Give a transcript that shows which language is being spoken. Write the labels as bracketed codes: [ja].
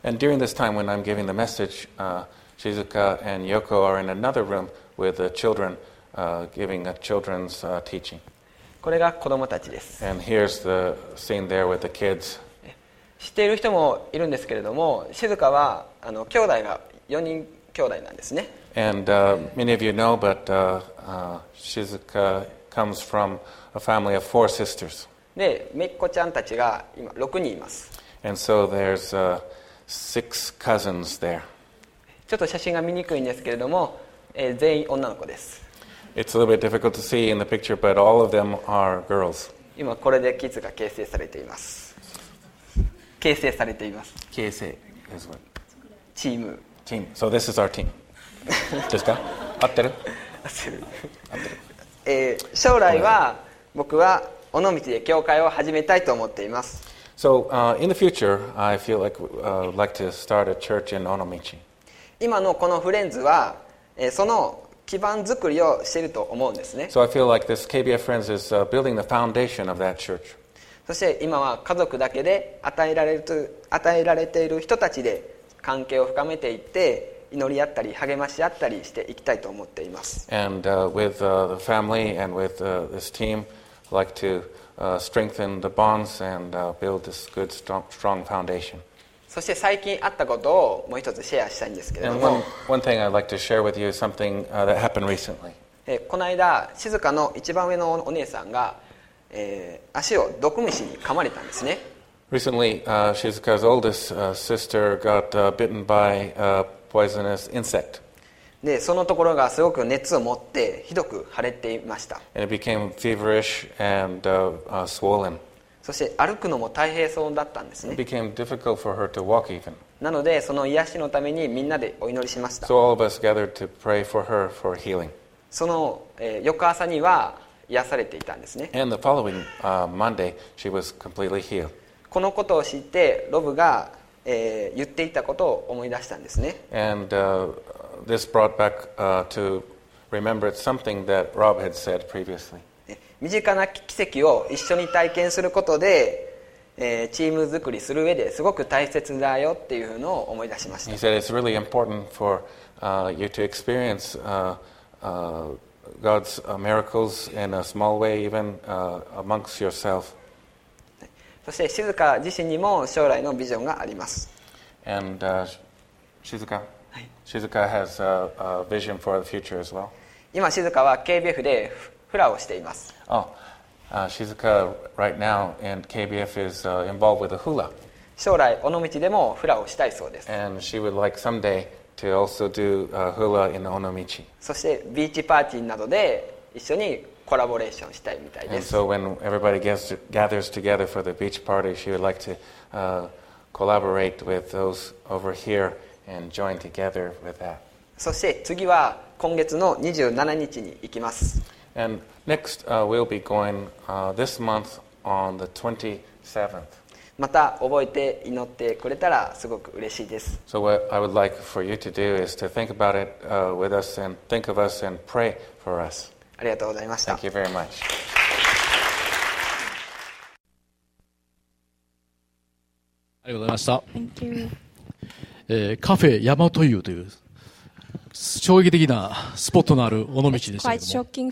[en] And during this time when I'm giving the message Shizuka and Yoko are in another room with the children giving a children's teaching. [ja] これが子供たちです。 [en] And here's the scene there with the kids. [ja] 知っている人もいるんですけれども、Shizuka はあの兄弟が4人兄弟なんですね。 [en] And many of you know but Shizuka comes from a family of four sisters. [ja] で、めっこちゃんたちが今6人います。 [en] And so there's six cousins there. [ja] ちょっと写真が見にくいんですけれども、全員女の子です。 [en] It's a little bit difficult to see in the picture, but all of them are girls. [ja] 今これでキッズが形成されています。形成されています。 [en] 形成 is what? [ja] チーム。 [en] チーム。So this is our team. [ja] ですか？合ってる？合ってる。将来は僕は尾道で教会を始めたいと思っています。 [en] So in the future, I feel like like to start a church in Onomichi. [ja] 今のこのフレンズは、その基盤作りをしていると思うんですね。 [en] So I feel like this KBF Friends is building the foundation of that church. [ja] そして今は家族だけで与えられている人たちで関係を深めていって、祈り合ったり励まし合ったりしていきたいと思っています。 [en] And with the family and with this team, I'd like to strengthen the bonds and build this good strong foundation. [ja] そして最近あったことをもう一つシェアしたいんですけれども、 [en] one thing I'd like to share with you something that happened recently. [ja] この間静香の一番上のお姉さんが、足を毒虫に噛まれたんですね。 [en] Recently, Shizuka's oldest sister got bitten by a poisonous insect. [ja] でそのところがすごく熱を持ってひどく腫れていました。 [en] And it became feverish and swollen. [ja] そして歩くのも大変そうだったんですね。 [en] It became difficult for her to walk even. [ja] なのでその癒しのためにみんなでお祈りしました。 [en] So all of us gathered to pray for her for healing. [ja] その、翌朝には癒されていたんですね。 [en] And the following Monday she was completely healed. [ja] このことを知ってロブが、言っていたことを思い出したんですね。 [en] And this brought back to remember something that Rob had said previously. [ja] 身近な奇跡を一緒に体験することで、チーム作りする上ですごく大切だよっていうのを思い出しました。 [en] He said it's really important for you to experience God's miracles in a small way, even amongst yourself. [ja] そして静香自身にも将来のビジョンがあります。 [en] And Shizuka, Shizuka has a vision for the future as well. [ja] 今静香は KBF でフラをしています。 [en] Shizuka right now and KBF is involved with a hula. [ja] 将来尾道でもフラをしたいそうです。 [en] And she would like someday to also do hula in 尾道。 [ja] そしてビーチパーティーなどで一緒にコラボレーションしたいみたいです。 [en] And so when everybody gathers together for the beach party, she would like to collaborate with those over here and join together with that. [ja] そして次は今月の27日に行きます。 [en] And next, we'll be going this month on the 27th. [ja] また覚えて祈ってくれたらすごく嬉しいです。 [en] So what I would like for you to do is to think about it with us and think of us and pray for us. [ja] ありがとうございました。 [en] Thank you very much. [ja] ありがとうございました。 [en] Thank you. [ja] カフェ大和湯という衝撃的なスポットのある尾道でしたけども、